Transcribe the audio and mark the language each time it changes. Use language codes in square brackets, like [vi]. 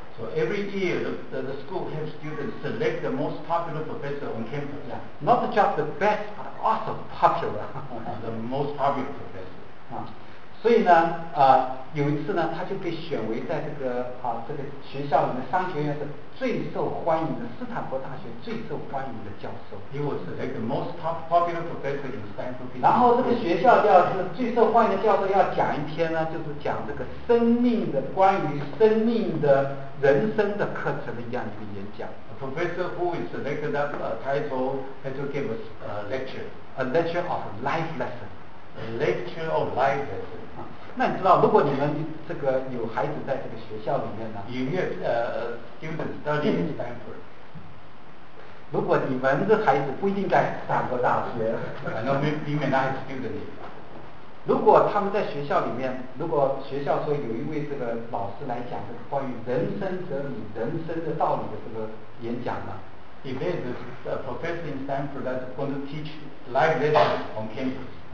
[en] So every year the school has students select the most popular professor on campus. Yeah, not just the best, but also popular. The most popular professor. [zh] 所以呢，有一次呢，他就被选为在这个这个学校里面商学院是最受欢迎的斯坦福大学最受欢迎的教授。 [en] He was like the most popular professor in Stanford. [zh] 然后这个学校要是最受欢迎的教授要讲一篇呢，就是讲这个生命的关于生命的人生的课程的一样一个演讲。 [en] A professor who is selected that title had to give us a lecture. A lecture of life lesson. A lecture of life lesson. [zh] 那你知道，如果你们这个有孩子在这个学校里面呢 [en] ？You have students studying in Stanford. [zh] 如果你们的孩子不一定在斯坦福大学。 [en] I know you may not have students. [zh] 如果他们在学校里面，如果学校说有一位这个老师来讲这个关于人生哲理、人生的道理的这个演讲呢 [en] ？If there's a professor in Stanford that's going to teach life lessons on campus.